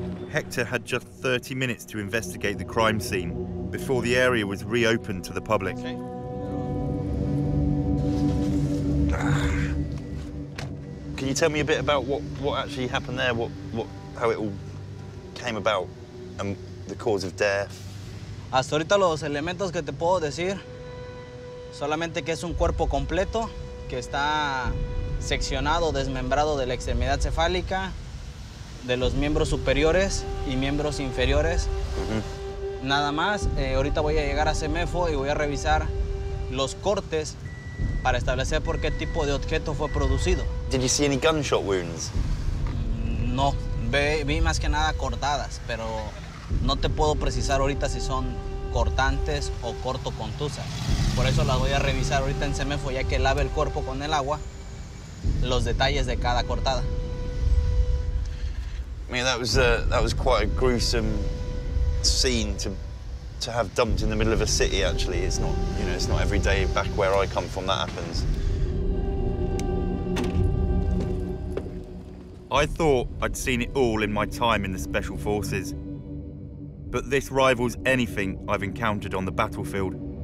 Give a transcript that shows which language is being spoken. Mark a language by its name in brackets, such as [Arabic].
[English] Hector had just 30 minutes to investigate the crime scene before the area was reopened to the public. Can you tell me a bit about what actually happened there, what how it all came about, and the cause of death? [Spanish] Hasta ahorita los elementos que te puedo decir, solamente que es un cuerpo completo que está seccionado, desmembrado de la extremidad cefálica, de los miembros superiores y miembros inferiores. Nada más. Ahorita voy a llegar a CEMEFO y voy a revisar los cortes para establecer por qué tipo de objeto fue producido. [English] Did you see any gunshot wounds? [Spanish] No, vi más que nada cortadas, pero no te puedo precisar ahorita si son cortantes o corto contusa. Por eso las voy a revisar ahorita en CEMEFO, ya que lave el cuerpo con el agua, los detalles de cada cortada. [English] I mean, that was quite a gruesome scene to have dumped in the middle of a city, actually. It's not, you know, it's not every day back where I come from that happens. I thought I'd seen it all in my time in the Special Forces, but this rivals anything I've encountered on the battlefield.